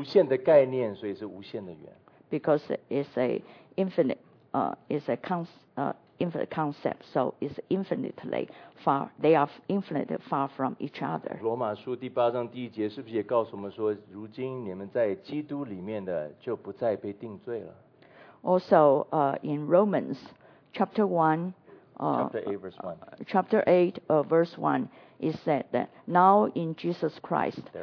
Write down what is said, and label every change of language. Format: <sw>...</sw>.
<zh>无限的概念，所以是无限的远。</zh> <en>Because it's a infinite, infinite concept, so it's infinitely far. They are infinitely far from each other.</en> <zh>罗马书第八章第一节是不是也告诉我们说，如今你们在基督里面的就不再被定罪了</zh> <en>？Also, in Romans chapter one, chapter eight, verse one. It said that now in Jesus Christ,</en>